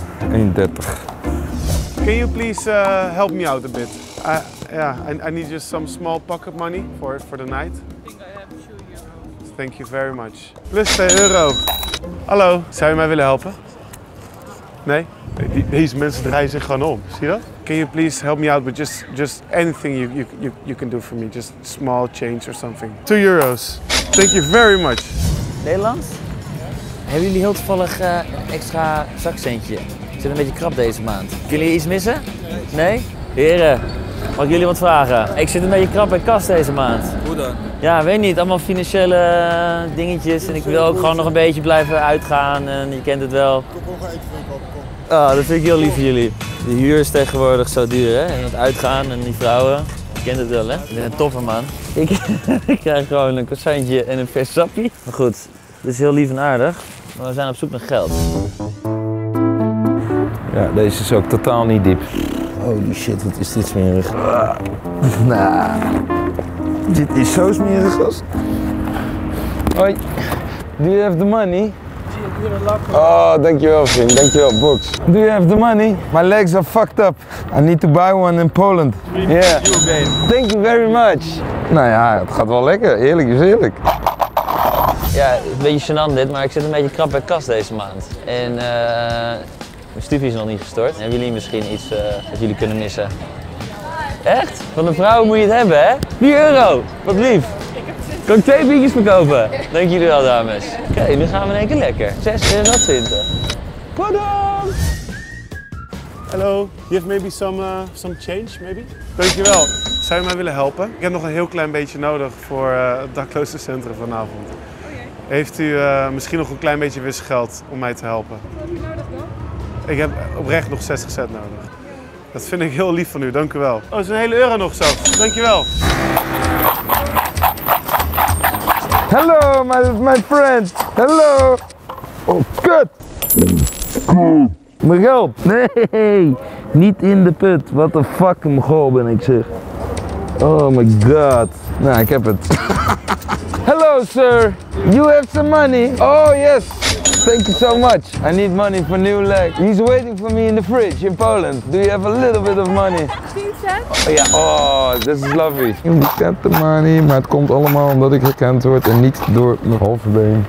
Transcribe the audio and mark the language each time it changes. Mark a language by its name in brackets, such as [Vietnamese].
[English] Can you please help me out a bit? I need just some small pocket money for the night. I think I have 2 euros. Thank you very much. Plus 2 euro. [Dutch] Hallo, zou je mij willen helpen? Nee? Deze mensen draaien zich gewoon om, zie je dat? [English] Can you please help me out with just anything you can do for me? Just small change or something. 2 euros. Thank you very much. [Dutch] Nederlands? Yes. Hebben jullie heel toevallig extra zakcentje? Het zit een beetje krap deze maand. Kunnen jullie iets missen? Nee? Heren, mag ik jullie wat vragen? Ik zit een beetje krap in kast deze maand. Hoe dan? Ja, weet niet. Allemaal financiële dingetjes. En ik wil ook gewoon nog een beetje blijven uitgaan. En je kent het wel. Kom, ga eten van je kop. Ah, dat vind ik heel lief van jullie. De huur is tegenwoordig zo duur, hè? En het uitgaan en die vrouwen. Je kent het wel, hè? Ik ben een toffe man. Ik krijg gewoon een croissantje en een vers sappie. Maar goed, dit is heel lief en aardig. Maar we zijn op zoek naar geld. Ja, deze is ook totaal niet diep. [English] Holy shit, [Dutch] wat is dit smerig. Nah, dit is zo smerig, gast. [English] Hoi, do you have the money? Oh, [Dutch] dankjewel, vriend. Dankjewel, box. [English] Do you have the money? My legs are fucked up. I need to buy one in Poland. Yeah. Thank you very much. [Dutch] Nou ja, het gaat wel lekker. Eerlijk is eerlijk. Ja, een beetje gênant dit, maar ik zit een beetje krap bij kas deze maand. En mijn studie is nog niet gestort. Hebben jullie misschien iets dat jullie kunnen missen? Echt? Van een vrouw moet je het hebben, hè? 4 euro! Wat lief! Kan ik 2 biertjes verkopen? Dank jullie wel, dames. Oké, nu gaan we in één keer lekker. 6,20 euro. Pardon! [English] Hallo, you have maybe some change, maybe? [Dutch] Dankjewel. Zou je mij willen helpen? Ik heb nog een heel klein beetje nodig voor het daklozencentrum vanavond. Heeft u misschien nog een klein beetje wisselgeld om mij te helpen? Ik heb oprecht nog 60 cent nodig. Dat vind ik heel lief van u, dank u wel. Oh, dat is een hele euro nog zo. Dank je wel. Hallo, mijn vriend. Hallo. Oh, kut. Mijn geld. Nee, niet in de put. [English] What the fuck, [Dutch] mijn goal ben ik zeg. [English] Oh my god. [Dutch] Nou, ik heb het. Hallo, sir. [English] You have some money? Oh, yes. Thank you so much. I need money for new leg. He's waiting for me in the fridge in Poland. Do you have a little bit of money? 10 cent. Oh, yeah. Oh, this is lovely. You get the money, [Dutch] maar het komt allemaal omdat ik herkend word en niet door mijn halve been.